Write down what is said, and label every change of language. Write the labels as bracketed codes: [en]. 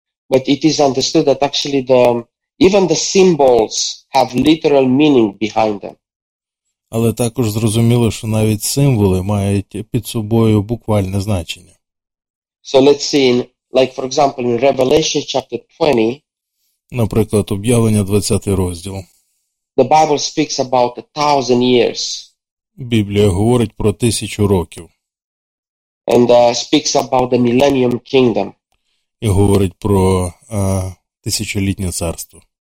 [en] But it is understood that actually even the symbols have literal meaning behind them. [uk] Але також зрозуміло, що навіть символи мають під собою буквальне значення. [en] So let's see, like for example, in Revelation chapter 20, [uk] наприклад, об'явлення 20 розділ. [en] The Bible speaks about a thousand years. [uk] Біблія говорить про тисячу років. [en] And speaks about the millennium kingdom. [uk] І говорить про тисячолітнє царство.